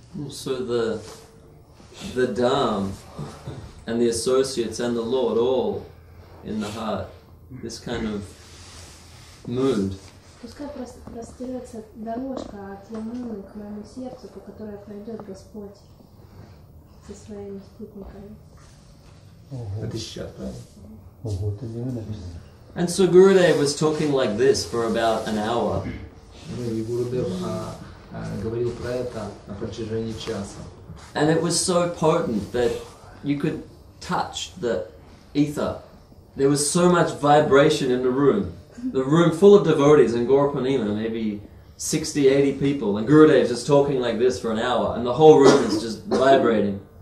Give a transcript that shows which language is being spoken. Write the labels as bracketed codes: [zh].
[en] So the dham and the associates and the Lord all in the heart. This kind of mood. [ru] Пускай простирается дорожка от Ямуны к моему сердцу, по которой пройдет Господь со своими спутниками. Это сейчас, правильно? Ого, это не написано. [en] And so Gurudev was talking like this for about an hour. [ru] И Гурудев говорил про это на протяжении часа. [en] And it was so potent that you could touch the ether. There was so much vibration in the room full of devotees in Gaurapanima, maybe 60, 80 people, and Gurudev just talking like this for an hour, and the whole room is just vibrating.